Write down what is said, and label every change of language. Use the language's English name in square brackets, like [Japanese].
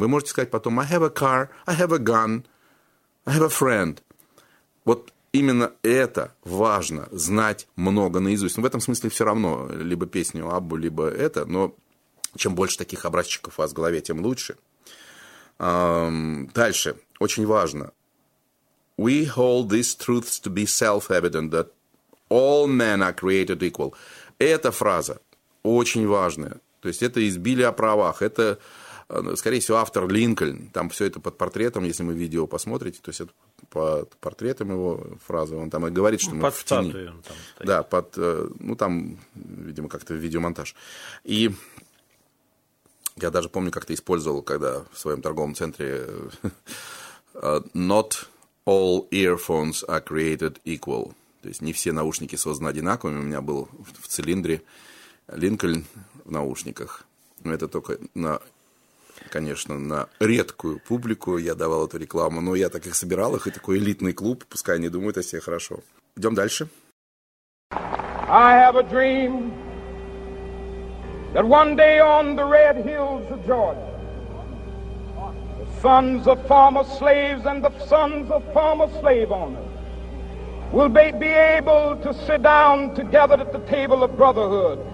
[Russian] Вы можете сказать потом [English] «I have a car», «I have a gun», «I have a friend». [Russian] Вот именно это важно, знать много наизусть. Ну, в этом смысле все равно, либо песню Аббу, либо это, но чем больше таких образчиков у вас в голове, тем лучше. Дальше, очень важно. [English] We hold these truths to be self-evident, that all men are created equal. [Russian] Эта фраза очень важная. То есть это из Билли о правах, это, скорее всего, автор Линкольн. Там все это под портретом, если вы видео посмотрите, то есть это под портретом его фразы, он там и говорит, что мы под в тени. Под статуей он там стоит. Да, под, ну, там, видимо, как-то видеомонтаж. И я даже помню, как-то использовал, когда в своем торговом центре [English] «Not all earphones are created equal». [Russian] То есть не все наушники созданы одинаковыми. У меня был в цилиндре Линкольн в наушниках. Но это только на конечно, на редкую публику я давал эту рекламу, но я так их собирал, их и такой элитный клуб, пускай они думают о себе хорошо. Идем дальше. [English] I have a dream that one day on the red hills of Georgia, the sons of former slaves and the sons of former slave owners will be able to sit down together at the table of brotherhood.